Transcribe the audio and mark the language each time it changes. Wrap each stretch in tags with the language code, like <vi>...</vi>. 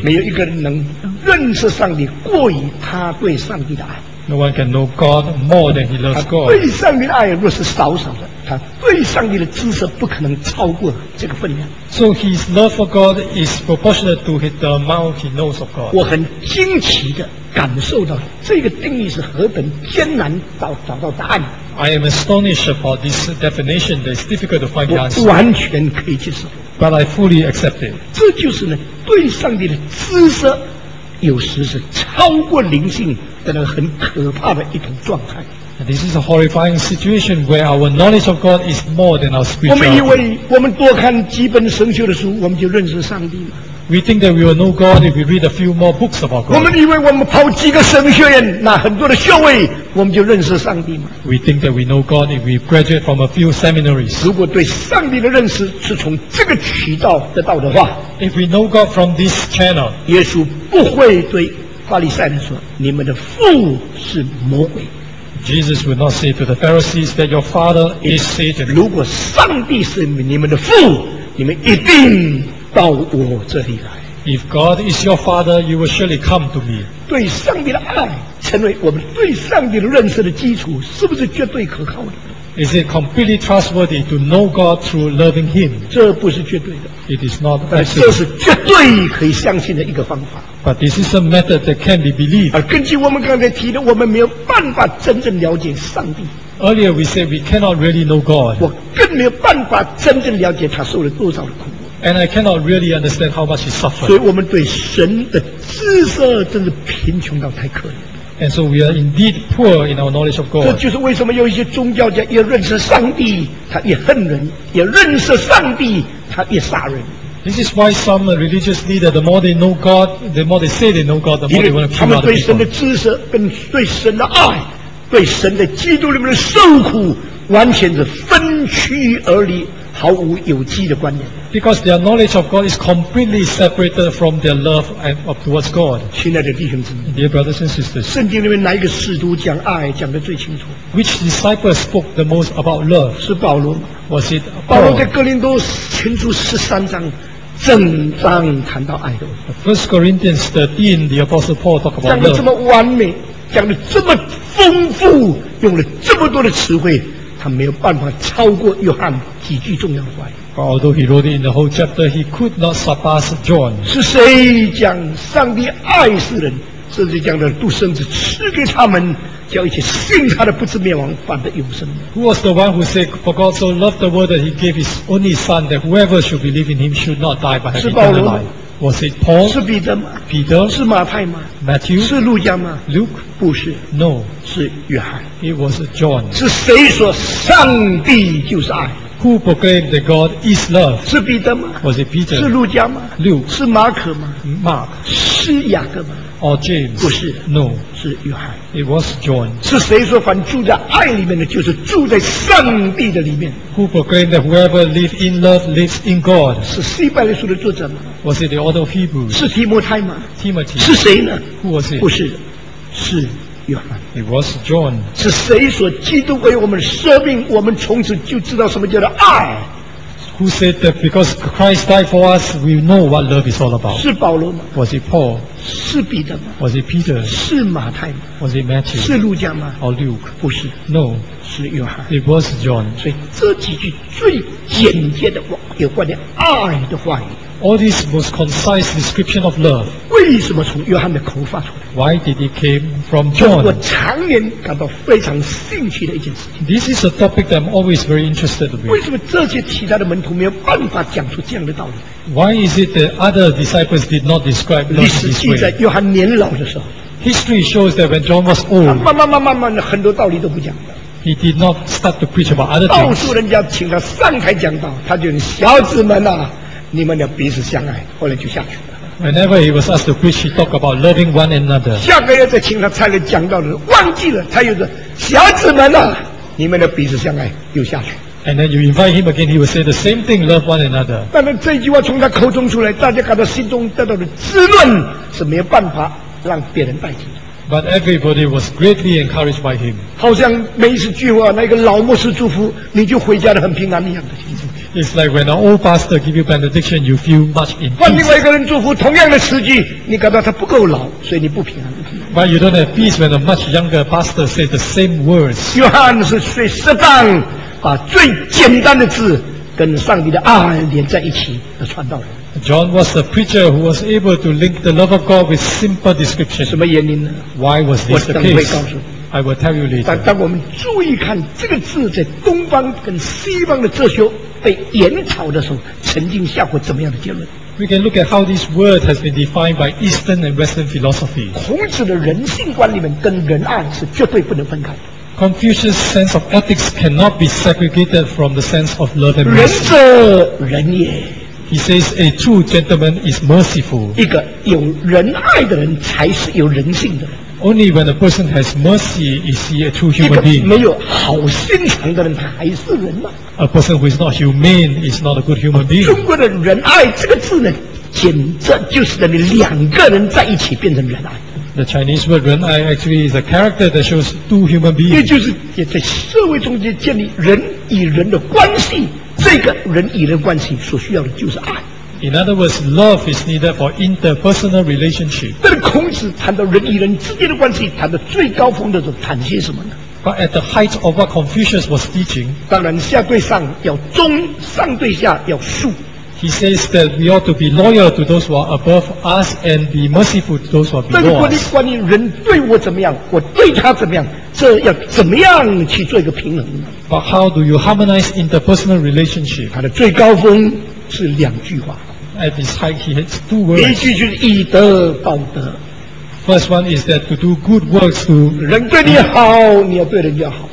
<zh>没有一个人能认识上帝过于他对上帝的爱。</zh> <en>No one can know God more than he loves God.</en> <zh>他对上帝的爱若是少少的，他对上帝的知识不可能超过这个分量。</zh> <en>So his love for God is proportionate to the amount he knows of God.</en> <zh>我很惊奇的感受到这个定义是何等艰难找到答案。</zh> <en>I am astonished about this definition that is difficult to find the answer.</en> <zh>我完全可以接受。</zh> <en>But I fully accept it.</en> <zh>这就是呢，对上帝的知识有时是超过灵性的那个很可怕的一种状态。</zh> <en>This is a horrifying situation where our knowledge of God is more than our spiritual.</en> <zh>我们以为我们多看几本神学的书，我们就认识上帝了。</zh> <en>We think that we will know God if we read a few more books about God.</en> <zh>我们以为我们跑几个神学院，拿很多的学位，我们就认识上帝吗？</zh> <en>We think that we know God if we graduate from a few seminaries.</en> <zh>如果对上帝的认识是从这个渠道得到的话，</zh> <en>If we know God from this channel,</en> <zh>耶稣不会对法利赛人说，你们的父是魔鬼。</zh> <en>Jesus would not say to the Pharisees that your father is Satan.</en> <zh>如果上帝是你们的父，你们一定到我这里来。</zh> <en>If God is your father, you will surely come to me.</en> <zh>对上帝的爱成为我们对上帝的认识的基础，是不是绝对可靠的？</zh> <en>Is it completely trustworthy to know God through loving Him?</en> <zh>这不是绝对的。</zh> <en>It is not.</en> <zh>这是绝对可以相信的一个方法。</zh> <en>But this is a method that can be believed.</en> <zh>而根据我们刚才提的，我们没有办法真正了解上帝。</zh> <en>Earlier we said we cannot really know God.</en> <zh>我更没有办法真正了解他受了多少的苦。</zh> <en>And I cannot really understand how much he suffered.</en> <zh>所以我们对神的知识真是贫穷到太可怜。</zh> <en>And so we are indeed poor in our knowledge of God.</en> <zh>这就是为什么有一些宗教家越认识上帝，他越恨人；越认识上帝，他越杀人。</zh> <en>This is why some religious leaders, the more they know God, the more they say they know God, the more they want to kill other people.</en> <zh>他们对神的知识跟对神的爱，对神的基督里面的受苦，完全是分区而离。毫无有机的观念。</zh> <en>Because their knowledge of God is completely separated from their love and up towards God.</en> <zh>亲爱的弟兄姊妹</zh> <en>，Dear brothers and sisters，</en> <zh>圣经里面哪一个使徒讲爱讲得最清楚</zh> <en>？Which disciple spoke the most about love？</en> <zh>是保罗吗</zh> <en>？Was it？</en> <zh>保罗在哥林多前书13章整章谈到爱的。</zh> <en>First Corinthians 13, the Apostle Paul talk about love.</en> <zh>讲得这么完美，讲得这么丰富，用了这么多的词汇。他没有办法超过约翰几句重要的话语。</zh> <en>Although he wrote it in the whole chapter, he could not surpass John.</en> <zh>是谁讲上帝爱世人，甚至将他的独生子赐给他们，叫一切信他的不至灭亡，反得永生</zh> <en>？Who was the one who said, "For God so loved the world that he gave his only Son, that whoever should believe in him should not die but have eternal life"? Was it Paul?</en> <zh>是彼得吗</zh> <en>？Peter?</en> <zh>是马太吗</zh> <en>？Matthew?</en> <zh>是路加吗</zh> <en>？Luke?</en> <zh>不是。</zh> <en>No.</en> <zh>是约翰。</zh> <en>It was John.</en> <zh>是谁说上帝就是爱</zh> <en>？Who proclaimed that God is love?</en> <zh>是彼得吗</zh> <en>？Was it Peter?</en> <zh>是路加吗</zh> <en>？Luke?</en> <zh>是马可吗</zh> <en>？Mark?</en> <zh>是雅各吗</zh> <en>？Or James?</en> <zh>不是。</zh> <en>No.</en> <zh>是约翰。</zh> <en>It was John.</en> <zh>是谁说凡住在爱里面的，就是住在上帝的里面</zh> <en>？Who proclaimed that whoever lives in love lives in God?</en> <zh>是希伯来书的作者吗</zh> <en>？Was it the author of Hebrews?</en> <zh>是提摩太吗</zh> <en>？Timothy.</en> <zh>是谁呢</zh> <en>？Who was it?</en> <zh>不是，是约翰。</zh> <en>It was John.</en> <zh>是谁说基督为我们舍命，我们从此就知道什么叫做爱</zh> <en>？Who said that because Christ died for us, we know what love is all about?</en> <zh>是保罗吗</zh> <en>？Was it Paul?</en> <zh>是彼得吗？</zh> <en>Was it Peter?</en> <zh>是马太吗？</zh> <en>Was it Matthew?</en> <zh>是路加吗？</zh> <en>Or Luke?</en> <zh>不是。</zh> <en>No.</en> <zh>是约翰。</zh> <en>It was John.</en> <zh>所以这几句最简洁的有关于爱的话语。</zh> <en>All this most concise description of love.</en> <zh>为什么从约翰的口发出来？</zh> <en>Why did it came from John?</en> <zh>我常年感到非常兴趣的一件事情。</zh> <en>This is a topic that I'm always very interested in.</en> <zh>为什么这些其他的门徒没有办法讲出这样的道理？</zh> <en>Why is it that other disciples did not describe love this way?</en> <zh>历史记载，约翰年老的时候。</zh> <en>History shows that when John was old,</en> <zh>慢慢的很多道理都不讲了。</zh> <en>He did not start to preach about other things.</en> <zh>到处人家请他上台讲道，他就小子们啊，你们俩彼此相爱，后来就下去了。</zh> <en>Whenever he was asked to preach, he talked about loving one another.</en> <zh>下个月再请他再来讲道的时候，忘记了，他又说小子们啊，你们俩彼此相爱，又下去。</zh> <en>And then you invite him again, he will say the same thing, love one another.</en> <zh>但是这句话从他口中出来，大家感到心中得到的滋润是没有办法让别人代替。</zh> <en>But everybody was greatly encouraged by him.</en> <zh>好像每一次聚会，那个老牧师祝福你就回家的很平安一样的。</zh> <en>It's like when an old pastor gives you benediction, you feel much in peace.</en> <zh>换另外一个人祝福同样的时机，你感到他不够老，所以你不平安。</zh> <en>But you don't have peace when a much younger pastor says the same words.</en> <zh>约翰是最适当。把最简单的字跟上帝的爱连在一起的传道人。</zh> <en>John was a preacher who was able to link the love of God with simple description.</en> <zh>什么原因呢？</zh> <en>Why was this the case?</en> <zh>我等会告诉你。</zh> <en>I will tell you later.</en> <zh>当我们注意看这个字在东方跟西方的哲学被研讨的时候，曾经下过怎么样的结论？</zh> <en>We can look at how this word has been defined by Eastern and Western philosophy.</en> <zh>孔子的人性观里面跟仁爱是绝对不能分开的。</zh> <en>Confucius' sense of ethics cannot be segregated from the sense of love and mercy.</en> <zh>仁者仁也。</zh> <en>He says a true gentleman is merciful.</en> <zh>一个有仁爱的人才是有人性的人。</zh> <en>Only when a person has mercy is he a true human being.</en> <zh>一个没有好心肠的人还是人吗？</zh> <en>A person who is not humane is not a good human being.</en> <zh>中国的仁爱这个字呢，简直就是等于两个人在一起变成仁爱。</zh> <en>The Chinese word 仁爱 actually is a character that shows two human beings.</en> <zh>也就是也在社会中间建立人与人的关系，这个人与人关系所需要的就是爱。</zh> <en>In other words, love is needed for interpersonal relationship.</en> <zh>但孔子谈到人与人之间的关系，谈到最高峰的时候，谈些什么呢？</zh> <en>But at the height of what Confucius was teaching,</en> <zh>当然下对上要忠，上对下要恕。</zh> <en>He says that we ought to be loyal to those who are above us and be merciful to those who are below us.</en> <zh>但是关于人对我怎么样，我对他怎么样，这要怎么样去做一个平衡？</zh> <en>But how do you harmonize interpersonal relationship?</en> <zh>他的最高峰是两句话。</zh> <en>At his height, he has two words.</en> <zh>第一句就是以德报德。</zh> <en>First one is that to do good works to</en> <zh>人对你好，你要对人家好。</zh>